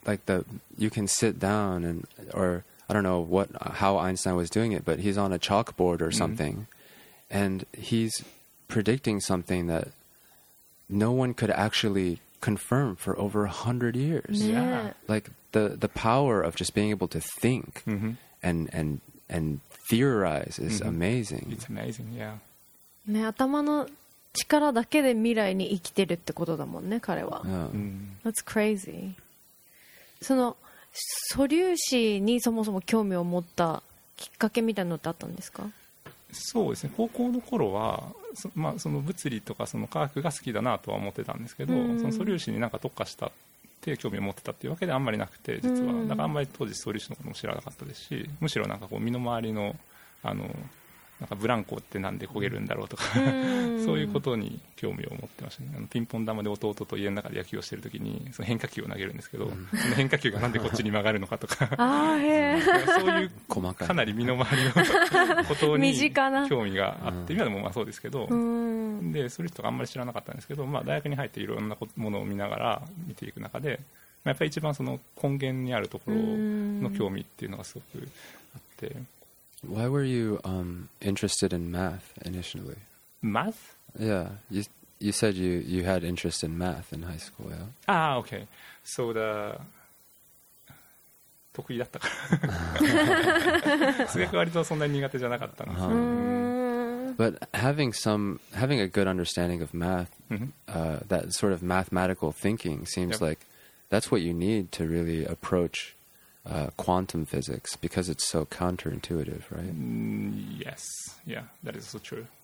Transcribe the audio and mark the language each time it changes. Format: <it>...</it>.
<en>Like, you can sit down and, or I don't know how Einstein was doing it, but he's on a chalkboard or something, and he's predicting something that no one could actually confirm for over 100 years. Yeah. Like, the power of just being able to think and theorize is amazing. It's amazing, yeah.</en> <ja>ね、頭の力だけで未来に生きてるってことだもんね、彼は。</ja> <en>That's crazy.</en> <ja>その素粒子にそもそも興味を持ったきっかけみたいなのってあったんですか？そうですね、高校の頃はまあ、その物理とかその科学が好きだなとは思ってたんですけど、その素粒子になんか特化したって興味を持ってたっていうわけであんまりなくて、実はなんかあんまり当時素粒子のことも知らなかったですし、むしろなんかこう身の回りのあのなんかブランコってなんで焦げるんだろうとか、そういうことに興味を持ってましたね。あのピンポン玉で弟と家の中で野球をしてるときにその変化球を投げるんですけど、その変化球がなんでこっちに曲がるのかとか、そういう細かい、かなり身の回りのことに興味があって、今でもまあそうですけど、でそれとかあんまり知らなかったんですけど、まあ、大学に入っていろんなものを見ながら見ていく中で、まあ、やっぱり一番その根源にあるところの興味っていうのがすごくあって。</ja> <en>Why were you interested in math initially? Math? Yeah, you said you had interest in math in high school, yeah? Ah, okay. So the...</en> <ja>得意だったから。数学割とそんなに苦手じゃなかったんですよ。</ja> <en>But having a good understanding of math, that sort of mathematical thinking seems like that's what you need to really approach quantum physics, because it's so counterintuitive, right? Yes. Yeah, that is so true.</en>